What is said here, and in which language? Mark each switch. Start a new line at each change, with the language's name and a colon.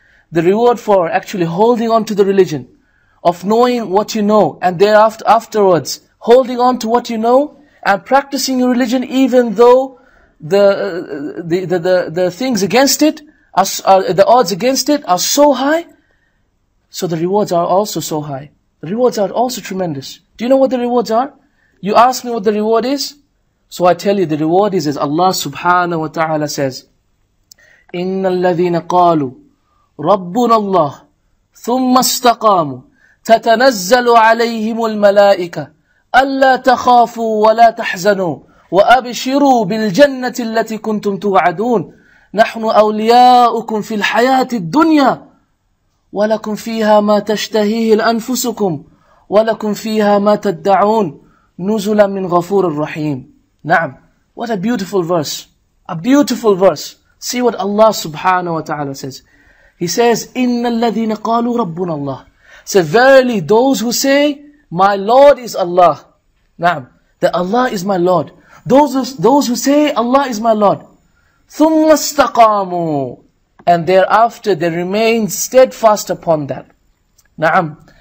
English: The reward for actually holding on to the religion, of knowing what you know, and thereafter, afterwards, holding on to what you know, and practicing your religion, even though the things against it, the odds against it are so high, so the rewards are also so high. The rewards are also tremendous. Do you know what the rewards are? You ask me what the reward is? So I tell you, the reward is, as Allah subhanahu wa ta'ala says,
Arabic: إِنَّ الَّذِينَ قَالُوا رَبُّنَ اللَّهِ ثُمَّ اسْتَقَامُوا تَتَنَزَّلُ عَلَيْهِمُ الْمَلَائِكَةِ أَلَّا تَخَافُوا وَلَا تَحْزَنُوا وَأَبِشِرُوا بِالْجَنَّةِ الَّتِي كُنْتُمْ تُوَعَدُونَ نَحْنُ أَوْلِيَاؤُكُمْ فِي الْحَيَاةِ الدُّنْيَا وَلَكُمْ فِيهَا مَا تَشْتَهِيهِ الْأَنفُسُكُمْ وَلَكُمْ فِيهَا مَا تَدَّعُونَ نُزُلًا مِنْ غَفُورٍ رَحِيمٍ نعم.
English: What a beautiful verse. A beautiful verse. See what Allah subhanahu wa ta'ala says.
Arabic: He says, إِنَّ الَّذِينَ قَالُوا رَبُّنَ اللَّهِ.
English: So verily those who say, my Lord is Allah. نعم. That Allah is my Lord. Those who say, Allah is my Lord.
Arabic: ثُمَّ اسْتَقَامُوا.
English: And thereafter, they remain steadfast upon that. Naam.